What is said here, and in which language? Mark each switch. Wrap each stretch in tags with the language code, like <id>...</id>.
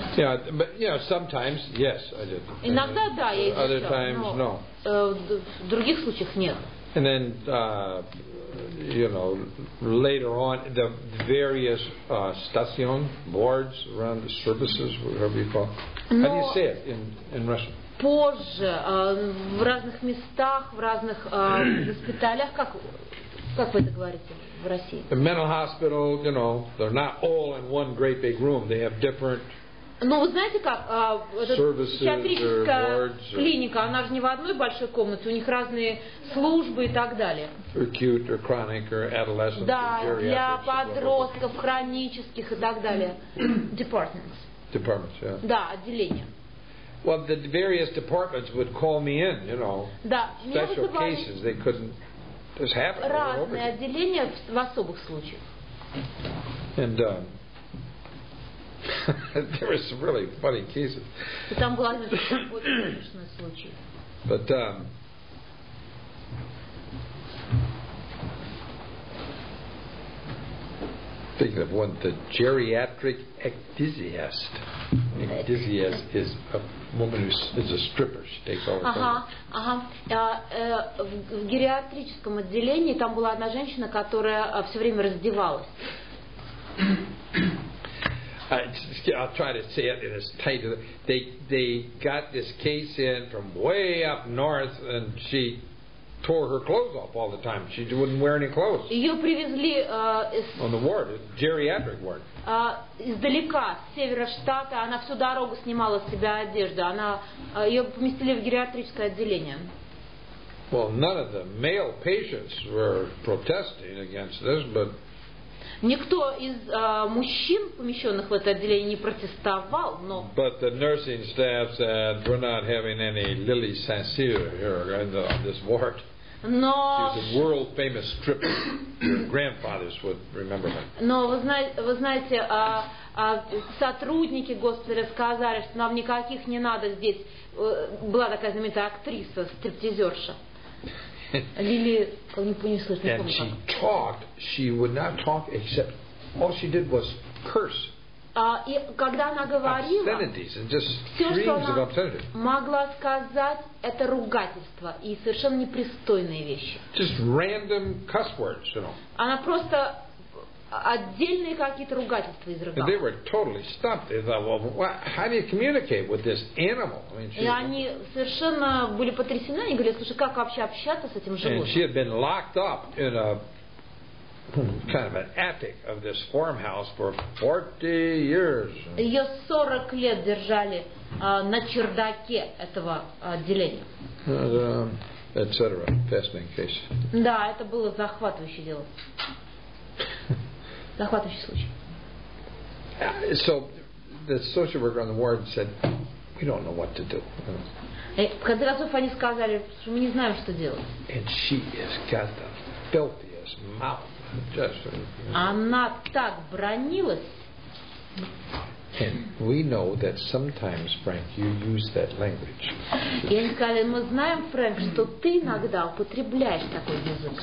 <en>Yeah, but you know, sometimes yes, I did.</en> <ru>Иногда да, я ещё.</ru> <en>Other times no.</en> <ru>В других случаях нет.</ru> <en>And then, you know, later on, the various station boards around the services, whatever you call. How do you say it in Russian? Позже, в разных местах, в разных госпиталях, как вы это говорите? The mental hospital, you know, they're not all in one great big room. They have different.</en> <ru>Ну вы знаете как? Психиатрическая клиника, она же не в одной большой комнате. У них разные службы и так далее.</ru> <en>Acute or chronic or adolescent.</en> <ru>Да, для подростков, хронических и так далее.</ru> <en>Departments. Departments, yeah.</en> <ru>Да, отделения.</ru> <en>Well, the various departments would call me in, you know.</en> <ru>Да,</ru> <en>special cases they couldn't. This happened.</en> <ru>Разные отделения в особых случаях.</ru> <en>And there were some really funny cases.</en> <ru>Там был один смешной случай.</ru> <en>But Speaking of one, the geriatric ecdysiast. Ecdysiast is a woman who is a stripper. She takes all the time.</en> <ru>В гериатрическом отделении там была одна женщина, которая все время раздевалась.</ru> <en>I'll try to say it in as tight. They got this case in from way up north, and she tore her clothes off all the time. She wouldn't wear any clothes.</en> <ru>Ее привезли</ru> <en>on the ward, geriatric ward.</en> <ru>Издалека, с севера штата, она всю дорогу снимала с себя одежду. Она ее поместили в гериатрическое отделение.</ru> <en>Well, none of the male patients were protesting against this, but</en> <ru>никто из мужчин, помещенных в это отделение, не протестовал, но.</ru> <en>But the nursing staff said we're not having any Lily Sancier here on this ward.</en> <ru>Но</ru> <en>she's a world famous stripper. Your grandfathers would remember her.</en> <ru>Но вы знаете, сотрудники госпиталя сказали, что нам никаких не надо здесь. Была такая знаменитая актриса, стриптизерша. Лили, не понесла, не</ru> <en>and she talked, she would not talk except all she did was curse.</en> <ru>И когда она говорила, все, что она могла сказать, это ругательство и совершенно непристойные вещи.</ru> <en>Just random cuss words, you know.</en> <ru>Она просто отдельные какие-то ругательства изрыгала.</ru> <en>And they were totally stumped. They thought, well, how do you communicate with this animal? I</en> <ru>mean, и они совершенно были потрясены. Они говорили, слушай, как вообще общаться с этим животным?</ru> <en>And she had been locked up in a kind of an attic of this farmhouse for 40 years.</en> <ru>Ее 40 лет держали на чердаке этого отделения.</ru> <en>Etc. Fascinating case.</en> <ru>Да, это было захватывающее дело. Захватывающий случай.</ru> <en>So the social worker on the ward said, "We don't know what to do."</en> <ru>В конце концов они сказали, что мы не знаем, что делать.</ru> <en>And she has got the filthiest mouth. Just,</en> <ru>она так бранилась.</ru> <en>And we know that sometimes, Frank, you use that language.</en> <ru>И они сказали, мы знаем, Фрэнк, что ты иногда употребляешь такой язык.</ru>